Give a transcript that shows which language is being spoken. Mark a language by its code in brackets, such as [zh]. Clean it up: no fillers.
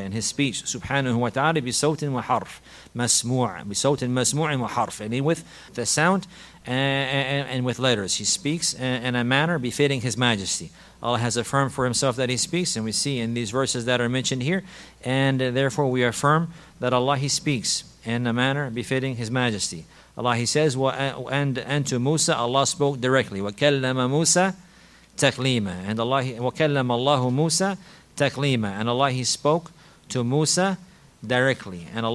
[en] And his speech, subhanahu wa ta'ala, [ar] bi sawtin masmu'in wa harf, [en] and with the sound and with letters, he speaks in a manner befitting his majesty. Allah has affirmed for himself that he speaks, and we see in these verses that are mentioned here, and therefore we affirm that Allah, he speaks in a manner befitting his majesty. Allah, he says, and to Musa, Allah spoke directly. [ar] وَكَلَّمَ مُوسَى تَكْلِيمًا. [en] And Allah, [ar] وَكَلَّمَ اللَّهُ مُوسَى تَكْلِيمًا. [en] And Allah, he spoke to Musa directly.